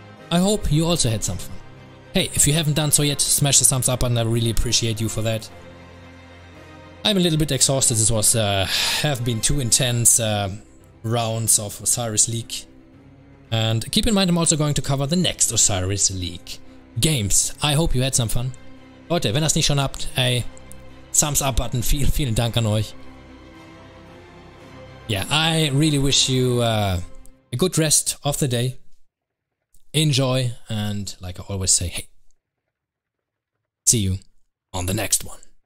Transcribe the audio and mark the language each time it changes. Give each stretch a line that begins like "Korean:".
English: I hope you also had some fun. Hey, if you haven't done so yet, smash the thumbs up and I really appreciate you for that. I'm a little bit exhausted. This was have been two intense rounds of Osiris League. And keep in mind, I'm also going to cover the next Osiris League games. I hope you had some fun.
German: Leute, wenn ihr es nicht schon habt, ey, Thumbs up button, vielen, vielen Dank an euch.
English: Yeah, I really wish you a good rest of the day. Enjoy, and like I always say, hey, see you on the next one.